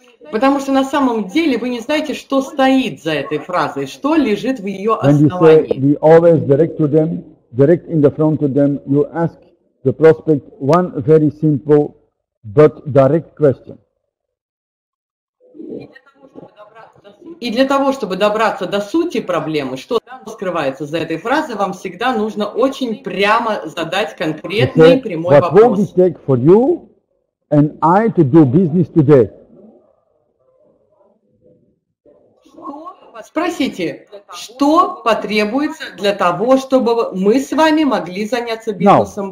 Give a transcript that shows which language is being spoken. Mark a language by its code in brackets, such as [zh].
[ru] Потому что на самом деле вы не знаете, что стоит за этой фразой, что лежит в ее основании. [en] And you say, we always direct to them, direct in the front of them. You ask the prospect one very simple but direct question. [ru] И для того, чтобы добраться до сути проблемы, что там скрывается за этой фразой, вам всегда нужно очень прямо задать конкретный прямой [en] what [ru] вопрос. [en] What will it take for you and I to do business today? [ru] Спросите, что потребуется для того, чтобы мы с вами могли заняться бизнесом